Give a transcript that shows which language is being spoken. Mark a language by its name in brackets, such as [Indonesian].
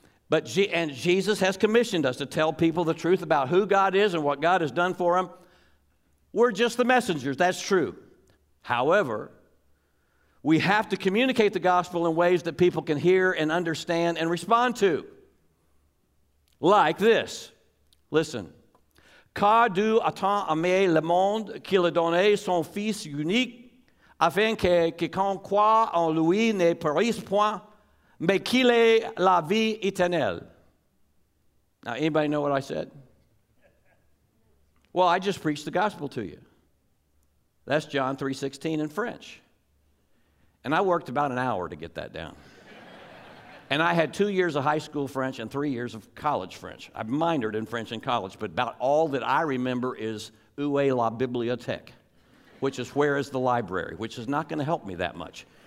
[English] And Jesus has commissioned us to tell people the truth about who God is and what God has done for them. We're just the messengers. That's true. However, we have to communicate the gospel in ways that people can hear and understand and respond to. Like this. Listen. [French] Car Dieu a tant aimé le monde qu'il a donné son fils unique afin que quiconque croit en lui ne périsse point mais qu'il ait la vie éternelle. [English] Now, anybody know what I said? Well, I just preached the gospel to you. That's John 3:16 in French. And I worked about an hour to get that down. And I had 2 years of high school French and 3 years of college French. I minored in French in college, but about all that I remember is [French] Où est la bibliothèque, [English] which is where is the library, which is not going to help me that much.